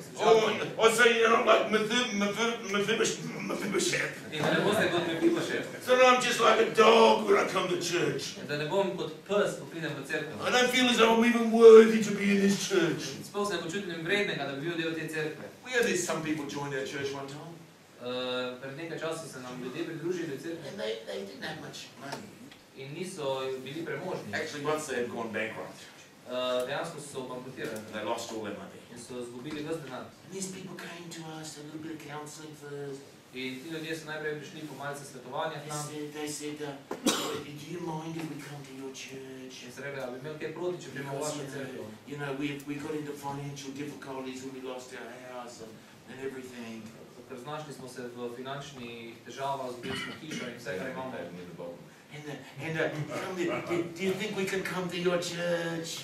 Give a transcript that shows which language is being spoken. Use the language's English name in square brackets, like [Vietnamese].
[Slovenian] sem čakal. [English] Or so you're not like Mephibosheth. [Slovenian] In da ne boste kot Mephibosheth. [English] So no, I'm just like a dog when I come to church. [Slovenian] Da ne bom kot pes, ko pridem v cerkev. [English] I don't feel as though I'm even worthy to be in this church. [Slovenian] Sploh se ne počutim vrednega, da bi bil del te cerkve. [English] We had this, some people joined our church one time. [Slovenian] Pred nekaj časa se nam ljudje pridružili do cerkve. [English] And they didn't have much money. [Slovenian] In niso bili premožni. [English] Actually, once they had gone bankrupt. [Slovenian] Dejansko so bankrotirali. [English] They lost all their money. [Slovenian] In so zgubili ves denar. [English] These people came to us, a little bit of counseling first. [Slovenian] In ti ljudje so najprej prišli po malce svetovanja k nam. [English] They said, do you mind if we come to your church? [Slovenian] In se rekli, ali bi imel kaj proti, če bi imel vašo cerkvo? [English] You know, we got into financial difficulties when we lost our house and everything. [Slovenian] Znašli smo se v finančnih težavah, zgubili smo hišo in vse, kar imamo. [English] And do you think we can come to your church?